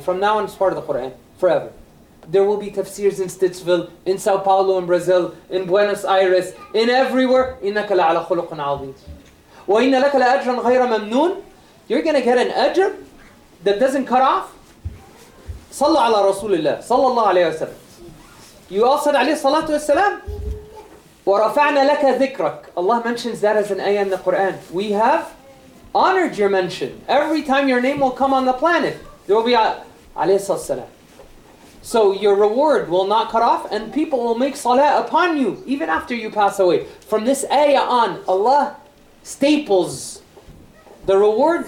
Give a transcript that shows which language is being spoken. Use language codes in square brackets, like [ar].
[en] From now on, it's part of the Quran, forever. There will be tafsirs in Stittsville, in Sao Paulo, in Brazil, in Buenos Aires, in everywhere. [ar] إِنَّكَ لَعَلَى خُلُقٍ عَظِيمٍ وَإِنَّ لَكَ لَأَجْرًا غَيْرَ مَمْنُونَ. [en] You're going to get an ajr that doesn't cut off. [ar] صَلَّى عَلَى رَسُولِ اللَّهِ صَلَّى اللَّهُ عَلَيْهِ وَسَلَّمَ. [en] You all said [ar] عليه الصلاة والسلام وَرَفَعْنَا لَكَ ذِكْرَكَ. [en] Allah mentions that as an ayah in the Quran. We have honored your mention. Every time your name will come on the planet, there will be [ar] عليه الصلاة والسلام. [en] So your reward will not cut off, and people will make salah upon you even after you pass away. From this ayah on, Allah staples the reward.